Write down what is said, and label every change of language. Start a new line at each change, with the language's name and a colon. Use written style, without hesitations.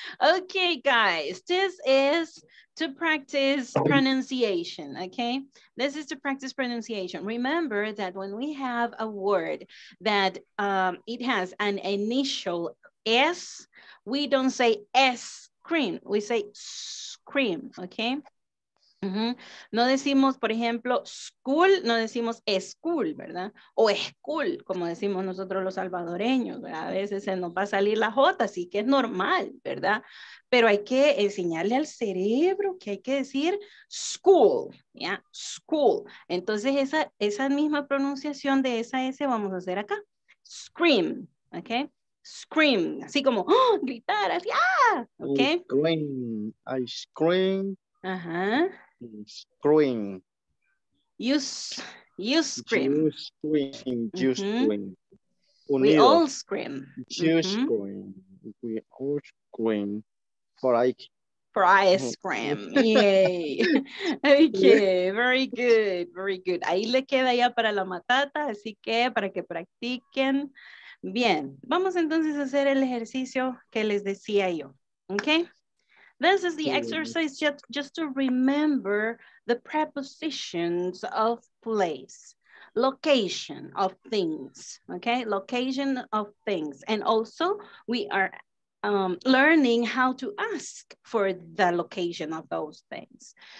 English: Okay, guys. This is to practice pronunciation. Okay. This is to practice pronunciation. Remember that when we have a word that it has an initial S, we don't say S. Cream, we say scream, okay? Mm-hmm.
Spanish: No decimos, por ejemplo, school, no decimos school, ¿verdad? O school, como decimos nosotros los salvadoreños, ¿verdad? A veces se nos va a salir la J, así que es normal, ¿verdad? Pero hay que enseñarle al cerebro que hay que decir school, ¿ya? School. Entonces, esa misma pronunciación de esa S vamos a hacer acá. Scream, ¿ok? Scream, así como ¡oh! Gritar, así, ¡ah! Okay.
English: Scream, ice cream. Ajá. Scream. You scream. You scream, you mm-hmm. scream. Unido. We all scream. You mm-hmm. scream. We all scream. For ice cream. Yay. Okay, very good, very good.
Spanish: Ahí le queda ya para la matata, así que para que practiquen. Bien, vamos entonces a hacer el ejercicio que les decía yo, okay?
English: This is the exercise just to remember the prepositions of place, location of things, okay? Location of things. And also we are learning how to ask for the location of those things.